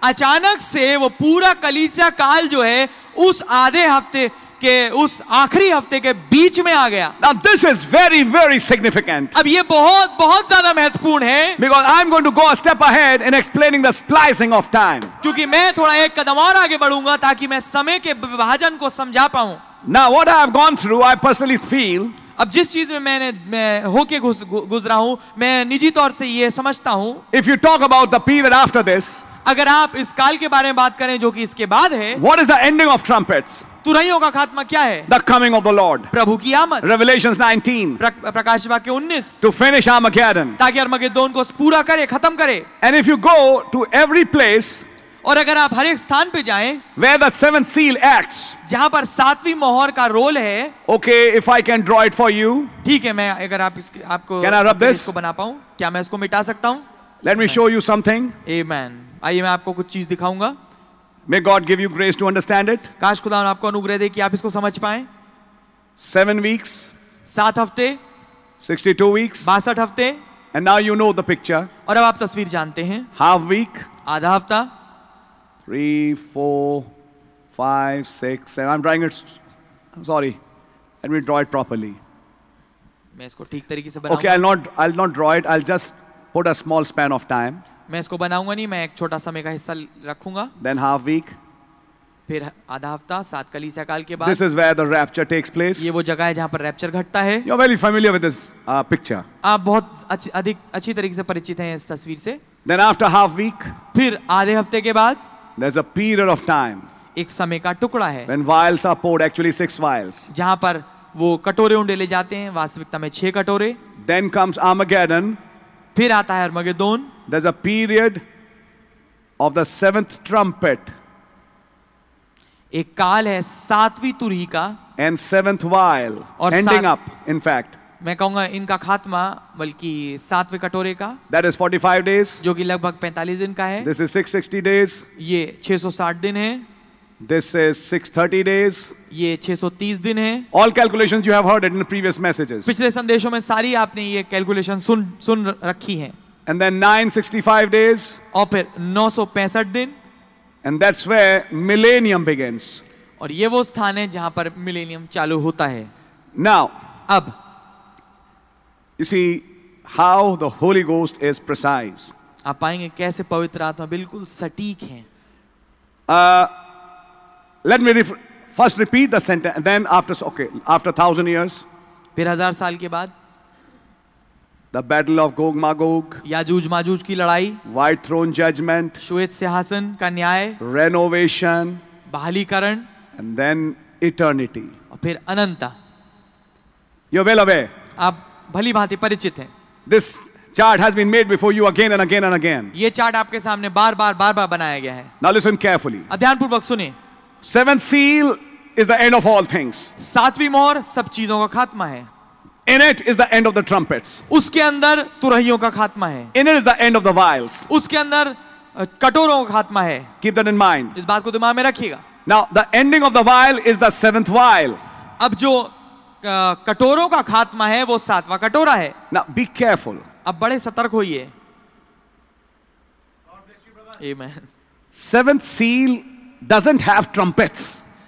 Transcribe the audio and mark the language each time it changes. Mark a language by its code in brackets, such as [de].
[hi] अचानक से वो पूरा कलीसिया काल जो है उस आधे हफ्ते के उस आखिरी हफ्ते के बीच में आ गया [en] now this is very very significant [hi] अब ये बहुत बहुत ज्यादा महत्वपूर्ण है [en] because I am going to go a step ahead in explaining the splicing of time [hi] क्योंकि मैं थोड़ा एक कदम और आगे बढ़ूंगा ताकि मैं समय के विभाजन को समझा पाऊं [en] Now what I have gone through, I personally feel. [hi] अब जिस चीज़ में मैंने मैं होके गुजरा हूँ, मैं निजी तौर से ये समझता हूँ. [en] If you talk about the period after this, [hi] अगर आप इस काल के बारे में बात करें जो कि इसके बाद है. [en] What is the ending of trumpets? [hi] तुरहियों का खात्मा क्या है? [en] The coming of the Lord. [hi] प्रभु की आमद. [en] Revelations 19. [hi] प्रकाश वाक्य 19. [en] To finish Armageddon. [hi] ताकि अर्मगेदोन को पूरा करे, खत्म करे. [en] And if you go to every place. [hi] और अगर आप हर एक स्थान पे जाएं, [en] Where the 7th seal acts, [hi] जहां पर 7वीं मोहर का रोल है, [en] Okay, if I can draw it for you, [hi] ठीक है मैं अगर आप इसके आपको [en] can I rub this? [hi] इसको बना पाऊं, क्या मैं इसको मिटा सकता हूं? [en] Let me show you something. Amen. [hi] आइए मैं आपको कुछ चीज दिखाऊंगा. [en] May God give you grace to understand it. [hi] काश खुदा आपको अनुग्रह दे कि आप इसको समझ पाएं. [en] 7 weeks. [hi] 7 हफ्ते. [en] 62 weeks. [hi] 62 हफ्ते. [en] And now you know the picture. [hi] और अब आप तस्वीर जानते हैं. [en] Half week. [hi] आधा हफ्ता. [en] 3, 4, 5, 6, 7. I'm drawing it. I'm sorry. Let me draw it properly. [hi] मैं इसको ठीक तरीके से बनाऊंगा. [en] Okay, I'll not draw it. I'll just put a small span of time. [hi] मैं इसको बनाऊंगा नहीं. मैं एक छोटा समय का हिस्सा रखूंगा. [en] Then half week. [hi] फिर आधा हफ्ता सात कलीसिया काल के बाद. [en] This is where the rapture takes place. [hi] ये वो जगह है जहाँ पर rapture घटता है. [en] You're very familiar with this picture. [hi] आप बहुत अच्छी तरीके से परिचित हैं इस तस्वीर से. [en] Then after half week. [hi] फिर आधे हफ्ते के बाद. [en] There's a period of time. [hi] एक समय का टुकड़ा है. [en] When vials are poured, actually 6 vials. [hi] जहाँ पर वो कटोरे उन्हें ले जाते हैं वास्तविकता में 6 कटोरे [en] Then comes Armageddon. [hi] फिर आता है अर्मगेदोन [en] There's a period of the seventh trumpet. [hi] एक काल है सातवीं तुरही का [en] And seventh vial. और ending up, in fact. [hi] मैं कहूंगा इनका खात्मा बल्कि सातवें कटोरे का [en] That is 45 days. [hi] जो कि लगभग 45 दिन का है [en] This is 660 days. [hi] ये 660 दिन है [en] This is 630 days. [hi] ये 630 दिन है [en] All calculations you have heard it in the previous messages. [hi] पिछले संदेशों में सारी आपने ये calculation सुन रखी है [en] And then 965 days. [hi] और फिर 965 दिन [en] And that's where millennium begins. [hi] और ये वो स्थान है जहां पर millennium चालू होता है [en] Now. [hi] अब [en] You see how the Holy Ghost is precise. [hi] आप पाएंगे कैसे पवित्र आत्मा बिल्कुल सटीक हैं। [en] Let me first repeat the sentence. Then after 1,000 years. [hi] फिर हजार साल के बाद। [en] The battle of Gog Magog. [hi] Yajuj Majuj की लड़ाई। [en] White throne judgment. [hi] श्वेत सिंहासन का न्याय। [en] Renovation. [hi] बहालीकरण। [en] And then eternity. [hi] और फिर अनंता। [en] You're well aware. [hi] आप भली भांति परिचित हैं। [en] This chart has been made before you again and again and again. [hi] ये चार्ट आपके सामने बार-बार बनाया गया है। [en] Now listen carefully. [hi] अब ध्यानपूर्वक सुने। [en] Seventh seal is the end of all things. [hi] सातवीं मोहर सब चीजों का खात्मा है। [en] In it is the end of the trumpets. [hi] उसके अंदर तुरहियों का खात्मा है। [en] In it is the end of the vials. [hi] उसके अंदर कटोरों का खात्मा है। [en] Keep that in mind. [hi] इस बात को दिमाग में रखिएगा। [en] Now the ending of the vial is the seventh vial. [hi] अब जो कटोरों का खात्मा है वो सातवां कटोरा है [en] Now, be careful. [hi] अब बड़े सतर्क होइए Amen. [en] Seventh seal doesn't have trumpets.